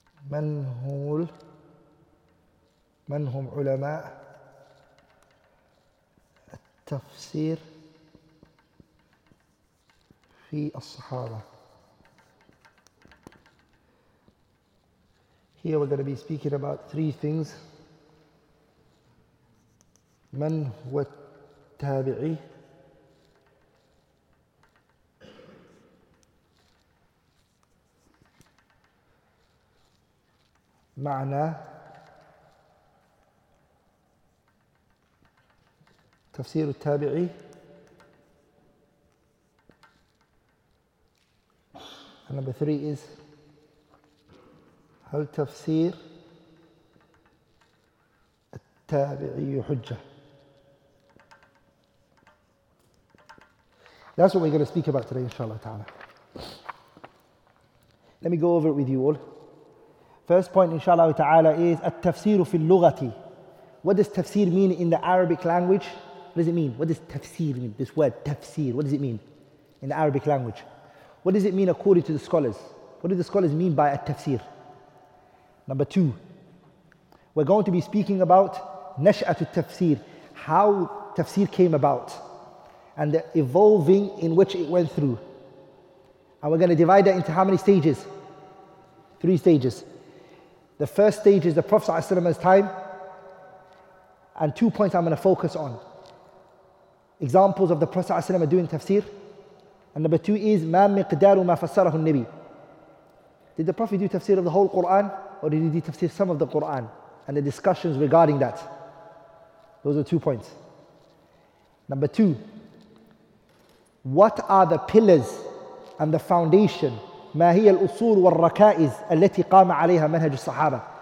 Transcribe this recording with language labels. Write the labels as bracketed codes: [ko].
[ar] من هم علماء التفسير في الصحابة. [en] Here we're going to be speaking about three things. [ar] من هو التابعي. معنى تفسير التابعي. [en] Number three is [ar] هل تفسير التابعي حجة. [en] That's what we're going to speak about today inshallah ta'ala. Let me go over it with you all. First point, inshallah ta'ala, is [ar] التفسير في اللغة. [en] What does tafsir mean in the Arabic language? What does it mean? What does tafsir mean? This word, tafsir, what does it mean in the Arabic language? What does it mean according to the scholars? What do the scholars mean by التفسير? Number two, We're going to be speaking about Nash'at al-Tafsir, how Tafsir came about, and the evolving in which it went through. And we're going to divide that into how many stages? 3 stages. The first stage is the Prophet's time, and 2 points I'm going to focus on. Examples of the Prophet doing Tafsir. And number 2 is [ar] مَا مِقْدَارُ مَا فَسَّرَهُ النَّبِيِّ. [en] Did the Prophet do Tafsir of the whole Qur'an, or did he do Tafsir some of the Qur'an? And the discussions regarding that. Those are 2 points. Number 2, what are the pillars and the foundation? [ar] مَا هِيَ الْأُصُولُ وَالرَّكَائِزُ الَّتِي قَامَ عَلَيْهَا مَنْهَجُ الصَّحَابَةِ.